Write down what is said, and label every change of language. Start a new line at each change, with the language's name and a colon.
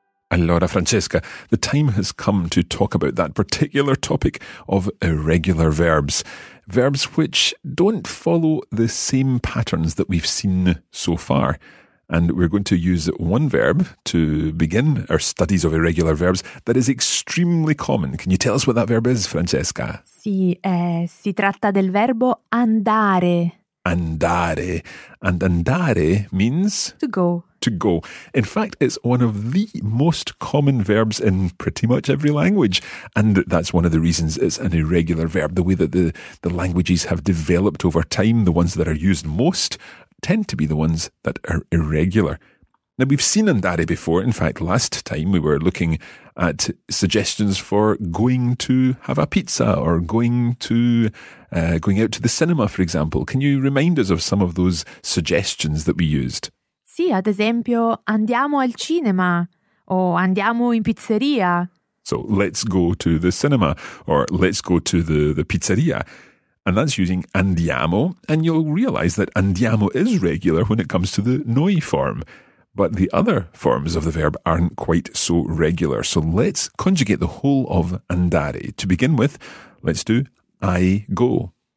English: Allora, Francesca, the time has come to talk about that particular topic of irregular verbs. Verbs which don't follow the same patterns that we've seen so far. And we're going to use one verb to begin our studies of irregular verbs that is extremely common. Can you tell us what that verb is, Francesca?
Italian: Sì, si tratta del verbo andare.
English: Andare. And andare means? To go. To go. In fact, it's one of the most common verbs in pretty much every language. And that's one of the reasons it's an irregular verb. The way that the languages have developed over time, the ones that are used most tend to be the ones that are irregular. Now, we've seen andare before. In fact, last time we were looking at suggestions for going to have a pizza or going out to the cinema, for example. Can you remind us of some of those suggestions that we used?
Italian: Sì, ad esempio, andiamo al cinema o andiamo in pizzeria.
English: So, let's go to the cinema or let's go to the pizzeria. And that's using andiamo, and you'll realize that andiamo is regular when it comes to the noi form. But the other forms of the verb aren't quite so regular. So let's conjugate the whole of andare. To begin with, let's do I go.